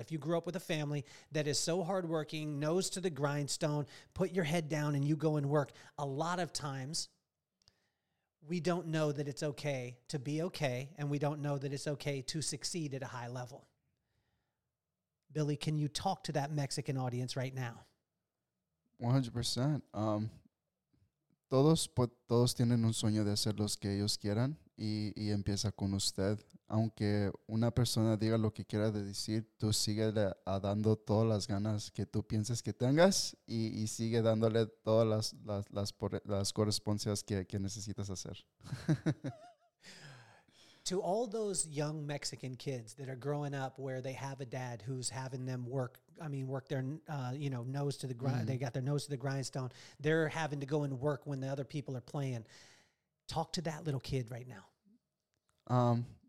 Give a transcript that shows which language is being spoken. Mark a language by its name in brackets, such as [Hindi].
[English] If you grew up with a family that is so hardworking, nose to the grindstone, put your head down and you go and work, a lot of times we don't know that it's okay to be okay, and we don't know that it's okay to succeed at a high level. Billy, can you talk to that Mexican audience right now? 100%. [Spanish] Todos tienen un sueño de hacer los que ellos quieran y empieza con usted. Aunque una persona diga lo que quiera de decir, tú sigue dando todas las ganas que tú pienses que tengas y sigue dándole todas las correspondencias que necesitas hacer. [English] To all those young Mexican kids that are growing up where they have a dad who's having them work their, you know, nose to the grind, mm-hmm. they got their nose to the grindstone, they're having to go and work when the other people are playing. Talk to that little kid right now.